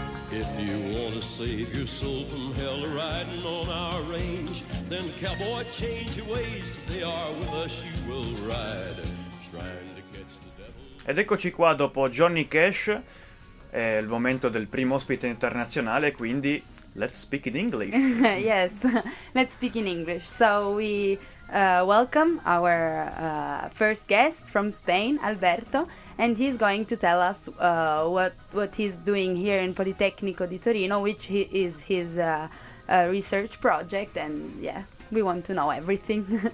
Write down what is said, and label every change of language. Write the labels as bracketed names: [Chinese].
[English] If you want to save your soul from hell riding on our range, then cowboy, change your ways. If they are with us, you will ride. Trying to catch the devil. [Italian] Ed eccoci qua dopo Johnny Cash. È il momento del primo ospite internazionale, quindi [English] let's speak in English. Yes, let's speak in English. So we welcome our first guest from Spain, Alberto, and he's going to tell us what he's doing here in Politecnico di Torino, which is his research project, and yeah, we want to know everything.